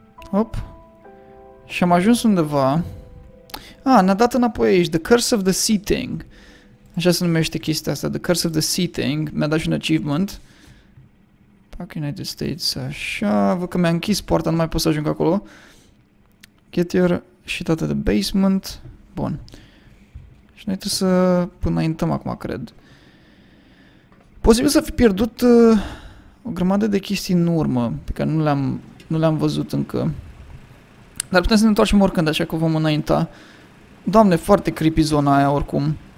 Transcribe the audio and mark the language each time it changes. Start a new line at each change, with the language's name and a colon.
Romanian: Hop. Și am ajuns undeva. Ah, ne-a dat înapoi aici. The Curse of the Sea Thing. Așa se numește chestia asta. The Curse of the Sea Thing. Mi-a dat și un achievement. Pac United States. Așa. Văd că mi-a închis poarta. Nu mai pot să ajung acolo.
English: Get your shit out of the basement.
Romanian: Bun. Și noi trebuie să înaintăm acum, cred. Posibil să fi pierdut o grămadă de chestii în urmă. Pe care nu le-am văzut încă. Dar putem să ne întoarcem oricând, așa că vom înainta. Doamne, foarte creepy zona aia, oricum.